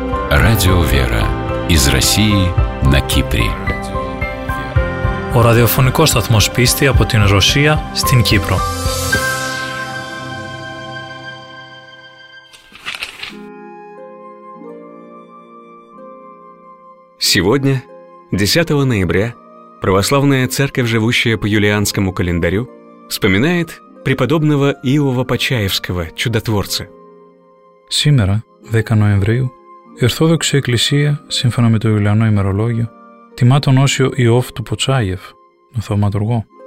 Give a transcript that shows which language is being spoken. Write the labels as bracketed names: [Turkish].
[Russian] Радио «Вера» из России на Кипре. [Greek] Ο ραδιοφωνικός σταθμός πίστη από την Ρωσία στην Κύπρο. [Russian] Сегодня, 10 ноября, православная церковь, живущая по юлианскому календарю, вспоминает преподобного Иова Почаевского, чудотворца. Сегодня, 10 ноября, [Greek] η Ορθόδοξη Εκκλησία, σύμφωνα με το Ιουλιανό ημερολόγιο, τιμά τον Όσιο Ιώφ του Ποτσάγεφ, τον θαυματουργό.